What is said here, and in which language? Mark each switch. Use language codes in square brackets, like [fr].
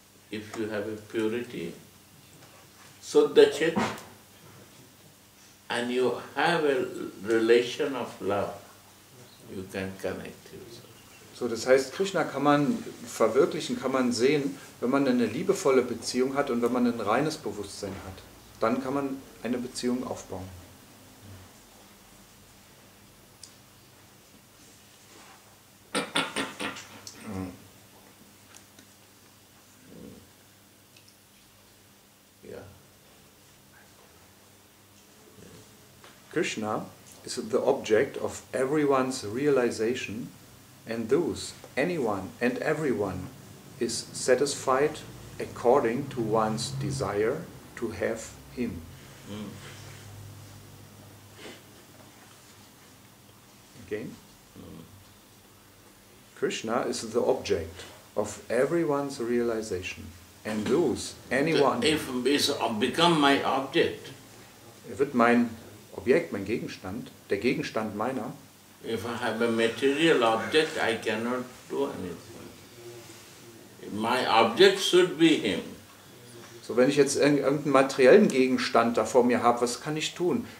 [en] If you have a purity, Shuddha Chit, and you have a relation of love, you can connect yourself. [de] So, das heißt, Krishna kann man verwirklichen, kann man sehen, wenn man eine liebevolle Beziehung hat und wenn man ein reines Bewusstsein hat. Dann kann man eine Beziehung aufbauen. [en] Krishna is the object of everyone's realization, and thus anyone and everyone is satisfied according to one's desire to have him. Krishna is the object of everyone's realization, and thus anyone. If it's become my object. If it [de] mein Objekt, mein Gegenstand, der Gegenstand meiner. [en] If I have a material object, I cannot do anything. my object should be him. [de] So, wenn ich jetzt irgendeinen materiellen Gegenstand da vor mir habe, was kann ich tun?